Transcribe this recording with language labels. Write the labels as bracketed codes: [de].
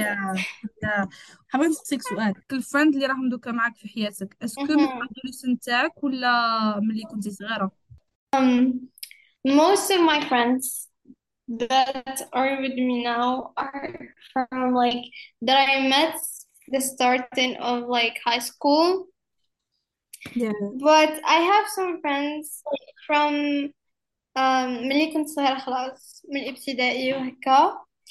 [ar] يا حابين نسألك سؤال، كل فريند اللي راهم دوكا معاك في حياتك اسكو من الادوليسن تاعك ولا من اللي كنتي صغيرة؟ [en] most of my friends that are with me now are from like that I met the starting of like high school. But I have some friends from [ar] ملي كنت صغيرة خلاص من الابتدائي وهكا.